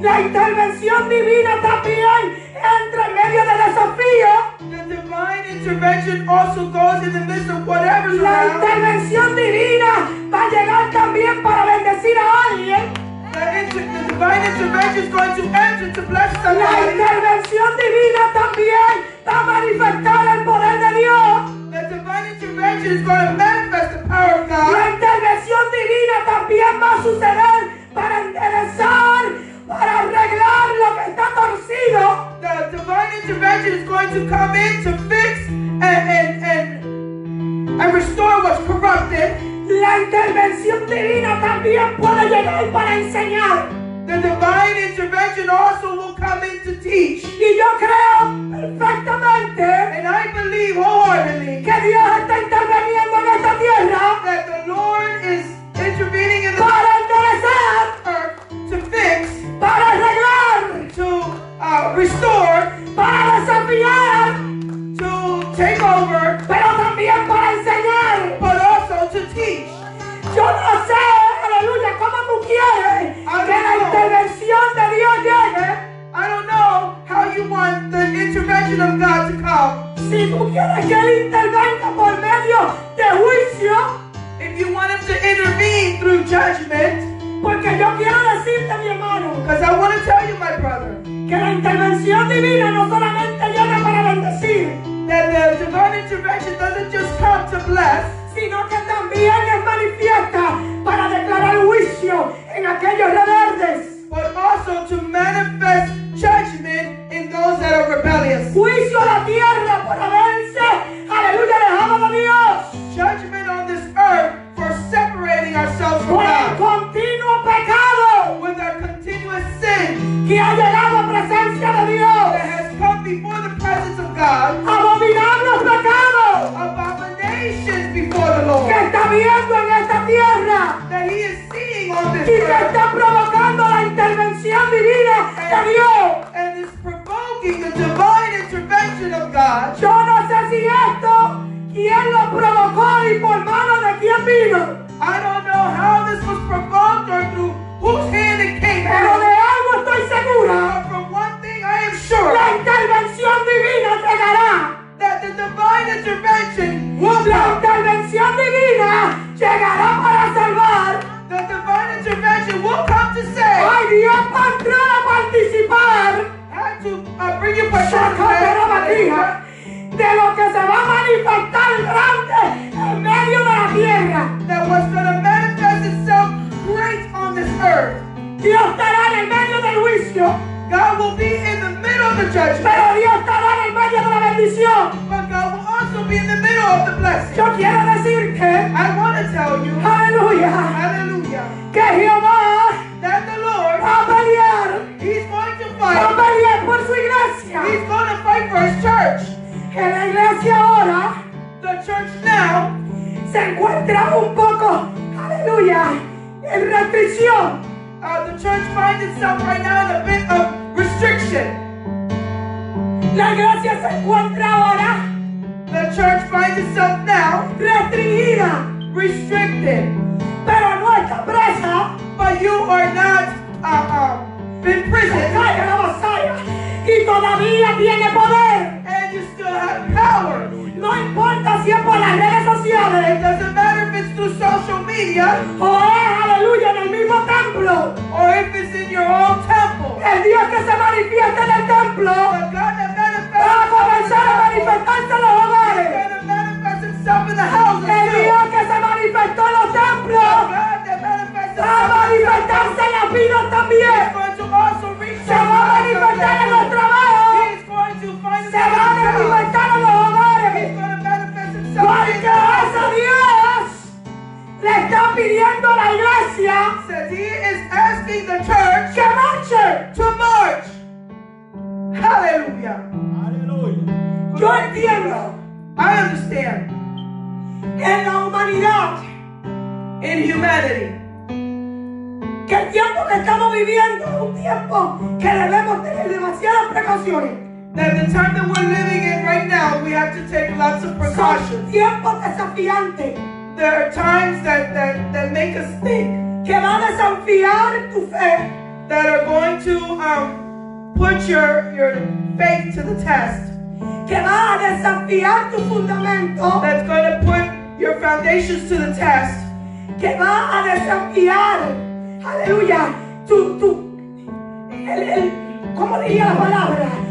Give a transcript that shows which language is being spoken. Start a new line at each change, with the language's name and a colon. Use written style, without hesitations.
Spanish: La intervención divina también entra en medio de desafío.
English: The divine intervention also goes in the midst of whatever's
Spanish: la
English: around.
Spanish: La intervención divina va a llegar también para bendecir a alguien.
English: The divine intervention is going to enter to bless somebody.
Spanish: La intervención divina también va a manifestar el poder de Dios.
English: The divine intervention is going to manifest the power of God.
Spanish: La intervención divina también va a suceder para enderezar, para arreglar lo que está torcido.
English: The divine intervention is going to come in to fix and restore what's corrupted.
Spanish: La intervención divina también puede llegar para enseñar.
English: The divine intervention also will come in to teach.
Spanish: Y yo creo perfectamente.
English: And I believe wholeheartedly.
Spanish: Que Dios está interviniendo en esta tierra.
English: That the Lord is intervening in the
Spanish: para enderezar,
English: to fix.
Spanish: Para arreglar.
English: To restore.
Spanish: Para desafiar.
English: To take over.
Spanish: Pero también para enseñar.
English: But also to teach.
Spanish: Yo no sé, aleluya, cómo tú quieres que la intervención de Dios llegue.
English: I don't know how you want the intervention of God to come.
Spanish: Si tú quieres que él intervenga por medio de juicio.
English: If you want him to intervene through judgment.
Spanish: Porque yo quiero decirte, mi hermano.
English: Because I want to tell you, my brother.
Spanish: Que la intervención divina no solamente llega para bendecir.
English: That the divine intervention doesn't just come to bless.
Spanish: Sino que también es manifiesta para declarar juicio en aquellos rebeldes.
English: But also to manifest judgment in those that are rebellious.
Spanish: Juicio a la tierra por haberse, aleluya, dejado de Dios.
English: Judgment on this earth for separating ourselves from God.
Spanish: Por el continuo pecado.
English: With our continuous sin.
Spanish: Que ha llegado a presencia de Dios.
English: That has come before the presence of God.
Spanish: Abominable pecado.
English: Abominations before the Lord.
Spanish: Que está viendo en esta tierra.
English: That he is seeing on this earth.
Spanish: Y que está provocando la intervención divina de Dios.
English: And is provoking the divine intervention of God.
Spanish: Yo no sé si esto. ¿Quién lo provocó y por mano de quién vino?
English: I don't know how this was provoked or through whose hand it came.
Spanish: Pero de algo estoy segura.
English: From one thing I am sure.
Spanish: La intervención divina llegará.
English: That the divine intervention will
Spanish: la intervención divina llegará para salvar.
English: The divine intervention will come to save.
Spanish: Ay, Dios, para entrar a participar.
English: Had to bring your participation.
Spanish: De lo que se va a manifestar grande en medio de la tierra.
English: That was going to manifest itself great on this earth.
Spanish: Dios estará en medio del juicio.
English: God will be in the middle of the judgment.
Spanish: Pero Dios estará en medio de la bendición.
English: But God will also be in the middle of the blessing.
Spanish: Yo quiero decir que
English: I want to tell you.
Spanish: Aleluya. Aleluya. Que Jehová.
English: That the Lord.
Spanish: Va a pelear.
English: He's going to fight.
Spanish: Va a pelear por su iglesia.
English: He's going to fight for his church.
Spanish: En la iglesia ahora,
English: the church now,
Spanish: se encuentra un poco, aleluya, en restricción.
English: The church finds itself right now in a bit of restriction.
Spanish: La iglesia se encuentra ahora,
English: the church finds itself now,
Spanish: restringida,
English: restricted.
Spanish: Pero no está presa.
English: But you are not in prison.
Spanish: Cállate la vasalla. Y todavía tiene poder.
English: And you still have power.
Spanish: No importa si es por las redes sociales.
English: It doesn't matter if it's through social media.
Spanish: O es, aleluya, en el mismo templo.
English: Or if it's in your own temple.
Spanish: El Dios que se manifiesta en el templo.
English: The God that manifests.
Spanish: Va a comenzar a manifestarse en los hogares.
English: He's gonna manifest himself in the houses.
Spanish: El Dios que se manifestó en los templos.
English: The God that manifests himself.
Spanish: Va a manifestarse en las vidas también.
English: He's going to also reach.
Spanish: Se va a manifestar en los trabajos.
English: He's going to find.
Spanish: Se va a manifestar en los hogares. Porque ese Dios le está pidiendo a la iglesia,
English: says he is asking the church,
Spanish: que marche,
English: to march. Aleluya.
Spanish: Aleluya. Yo entiendo.
English: I understand.
Spanish: En la humanidad,
English: in humanity,
Spanish: que el tiempo que estamos viviendo es un tiempo que debemos tener demasiadas precauciones.
English: That the time that we're living in right now, we have to take lots of precautions.
Spanish: Son tiempos desafiantes.
English: There are times that make us think.
Spanish: Que va a desafiar tu fe.
English: That are going to put your faith to the test.
Spanish: Que va a desafiar tu fundamento.
English: That's going to put your foundations to the test.
Spanish: Que va a desafiar, aleluya, tu el ¿cómo diría la palabra?